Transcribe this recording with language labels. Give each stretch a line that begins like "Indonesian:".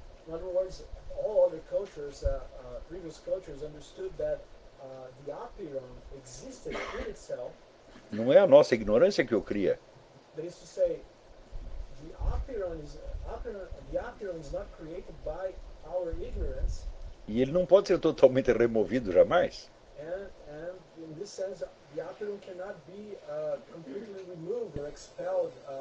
English: In other words, all other cultures, previous cultures, understood that the Aperon existed in itself.
Portuguese: Não é a nossa ignorância que o cria.
English: That is to say, the Aperon is not created by our ignorance.
Portuguese: E ele não pode ser totalmente removido jamais.
English: And in this sense, the Aperon cannot be completely removed or expelled.